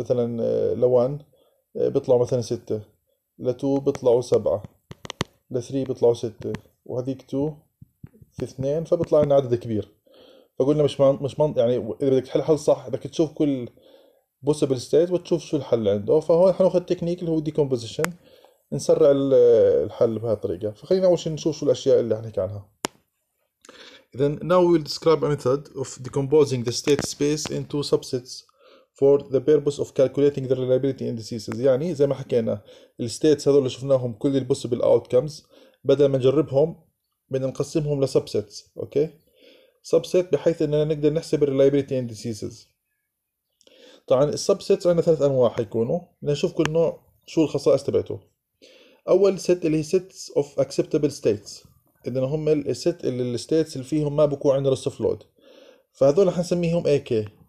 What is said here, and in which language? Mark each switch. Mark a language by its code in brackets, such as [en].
[ar] مثلا ل 1 بيطلعوا مثلا 6، ل 2 بيطلعوا 7، ل 3 بيطلعوا 6، وهذيك 2 في 2 فبيطلع لنا عدد كبير. فقلنا مش منطق يعني، اذا بدك تحل حل صح بدك تشوف كل [en] possible state [ar] وتشوف شو الحل عنده. فهون حناخذ تكنيك اللي هو ديكومبوزيشن، نسرع الحل بهذه الطريقه. فخلينا اول شيء نشوف شو الاشياء اللي حنحكي عنها. [en] Then now we'll describe a method of decomposing the state space into subsets for the purpose of calculating the reliability indices. [ar] يعني زي ما حكينا ال states هذول اللي شفناهم كل ال [en] possible outcomes، [ar] بدل ما نجربهم بدنا نقسمهم ل subsets. [en] Okay. [ar] subset بحيث اننا نقدر نحسب [en] reliability indices. [ar] طبعا ال subsets عندنا ثلاث انواع حيكونوا. بدنا نشوف كل نوع شو الخصائص تبعته. اول set اللي هي [en] sets of acceptable states، [ar] إذن هم الست اللي الستيتس اللي فيهم ما بكون عندنا لسه فلود، فهذول حنسميهم اي كي.